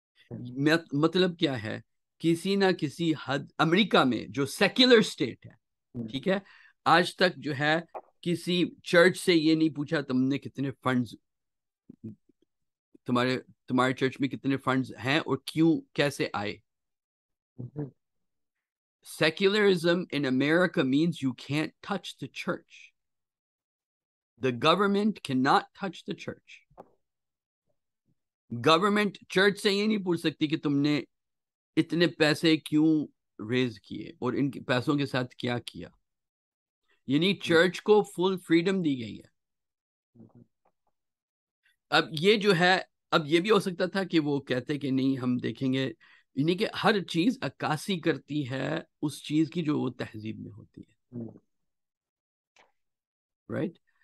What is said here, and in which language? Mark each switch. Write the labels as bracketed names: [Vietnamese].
[Urdu] مطلب کیا ہے, کسی نہ کسی حد امریکہ میں جو سیکولر اسٹیٹ ہے, ٹھیک ہے, آج تک جو ہے کسی چرچ سے یہ نہیں پوچھا تم نے کتنے فنڈز, تمہارے چرچ میں کتنے فنڈز ہیں اور کیوں کیسے آئے. [English] Secularism in America means you can't touch the church, the government can not touch the church. [Urdu] Government church سے یہ نہیں پوچھ سکتی کہ تم نے اتنے پیسے کیوں ریز کیے اور ان پیسوں کے ساتھ کیا کیا. یعنی چرچ کو فل فریڈم دی گئی ہے. اب یہ جو ہے, اب یہ بھی ہو سکتا تھا کہ وہ کہتے کہ نہیں ہم دیکھیں گے, یعنی کہ ہر چیز عکاسی کرتی ہے اس چیز کی جو وہ تہذیب میں ہوتی ہے, رائٹ.